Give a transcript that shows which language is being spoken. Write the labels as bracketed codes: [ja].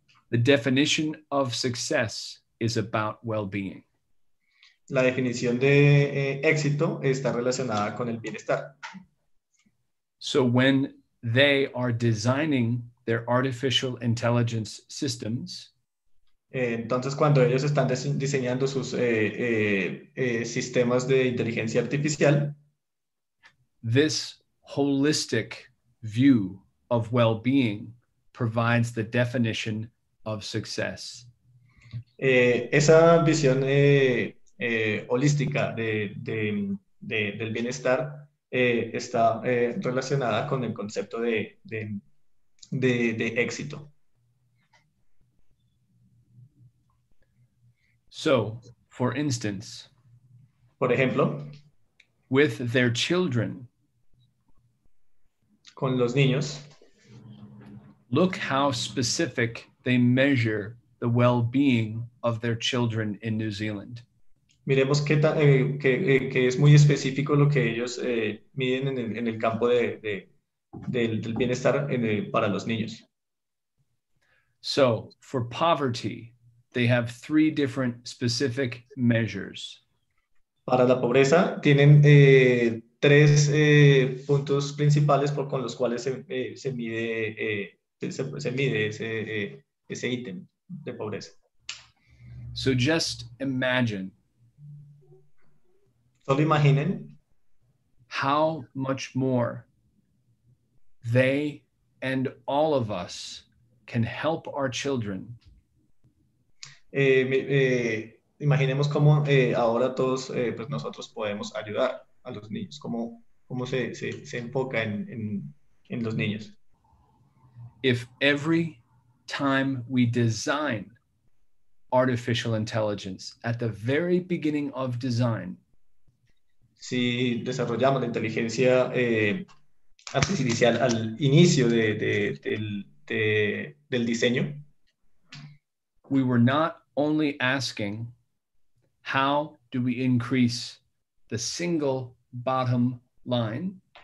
[en] The definition of success is about well-being. [es] La definición de éxito está relacionada con el bienestar. [en] So when they are designing their artificial intelligence systems, [es] entonces cuando ellos están diseñando sus sistemas de inteligencia artificial, [en] this holistic view of well-being provides the definition of success. [es] Esa visión holística del bienestar está relacionada con el concepto de de éxito. [en] So, for instance, [es] por ejemplo, [en] with their children, [es] con los niños, [en] look how specific they measure the well-being of their children in New Zealand. [es] Miremos qué tan que es muy específico lo que ellos miden en el campo del bienestar para los niños. [en] So, for poverty, they have three different specific measures. [es] Para la pobreza tienen tres puntos principales por con los cuales se mide ese ítem de pobreza. [en] So just imagine. [es] Solo imaginen [en] how much more they and all of us can help our children. [es] Imaginemos cómo ahora todos pues nosotros podemos ayudar a los niños, cómo se enfoca en los niños. [en] If every time we design artificial intelligence at the very beginning of design, [es] si desarrollamos la inteligencia artificial al inicio del diseño, [en] we were not only asking how do we increase the single bottom line?